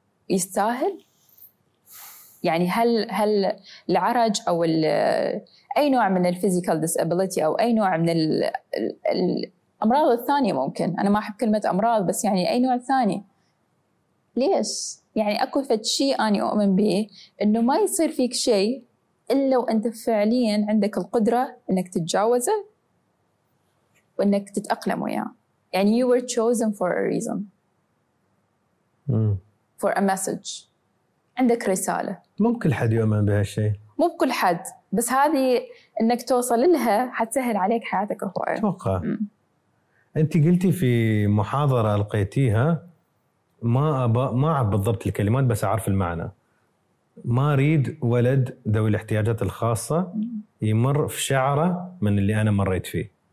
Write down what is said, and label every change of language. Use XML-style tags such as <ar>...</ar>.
<ar>يستاهل؟ يعني هل العرج أو أي نوع من الفيزيكال ديسابيليتي أو أي نوع من الأمراض الثانية، ممكن أنا ما أحب كلمة أمراض بس يعني أي نوع ثاني، ليش؟ يعني أكو فد شيء أنا أؤمن به أنه ما يصير فيك شيء إلا وأنت فعليا عندك القدرة أنك تتجاوزه وأنك تتأقلم وياه.</ar> <en>يعني you were chosen for a reason for a message،</en> <ar>عندك رسالة. مو بكل حد يؤمن بهالشيء، مو بكل حد، بس هذه انك توصل لها حتسهل عليك حياتك اخوي. اتوقع انت قلتي في محاضرة لقيتيها، ما اعرف بالضبط الكلمات بس اعرف المعنى، ما اريد ولد ذوي الاحتياجات الخاصة يمر في شعرة من اللي انا مريت فيه.</ar>